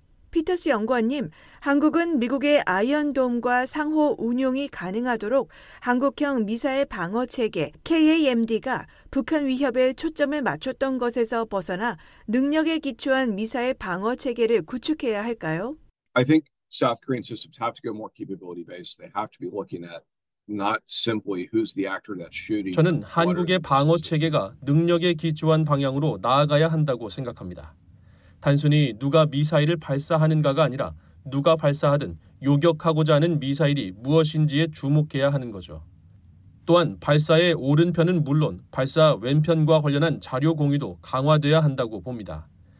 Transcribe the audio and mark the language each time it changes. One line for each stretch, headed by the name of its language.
Korean: 피터스 연구원님, 한국은 미국의 아이언돔과 상호 운용이 가능하도록 한국형 미사일 방어 체계 KAMD가 북한 위협에 초점을 맞췄던 것에서 벗어나 능력에 기초한 미사일 방어 체계를 구축해야 할까요?
English: I think South Korean systems have to go more capability based. They have to be looking at not simply who's the actor that's shooting.
Korean: 저는 한국의 방어 체계가 능력에 기초한 방향으로 나아가야 한다고 생각합니다. 단순히 누가 미사일을 발사하는가가 아니라 누가 발사하든 요격하고자 하는 미사일이 무엇인지에 주목해야 하는 거죠. 또한 발사의 오른편은 물론 발사 왼편과 관련한 자료 공유도 강화되어야 한다고 봅니다.